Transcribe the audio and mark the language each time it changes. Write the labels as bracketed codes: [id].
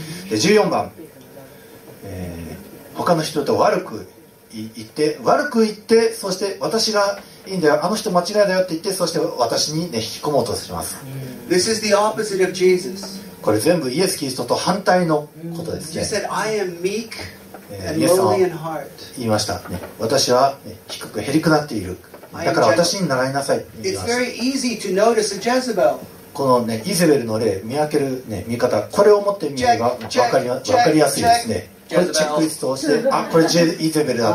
[ja] で14番、他の人と悪く言って、そして私がいいんだよ、あの人間違いだよって言って、そして私に、ね、引き込もうとします。 [en] This is the opposite of Jesus. [ja] これ全部イエス・キリストと反対のことですね。 [en] He said, I am meek and lowly in heart. [ja] 言いました、ね、私は、ね、低くへりくなっている、だから私に習いなさいって言いました。 [en] It's very easy to notice a Jezebel. [ja] この、ね、イゼベルの例、見分ける、ね、見方、これを持ってみれば分かりやすいですね。これチェックリストをして、あ、これジェイゼベルだ。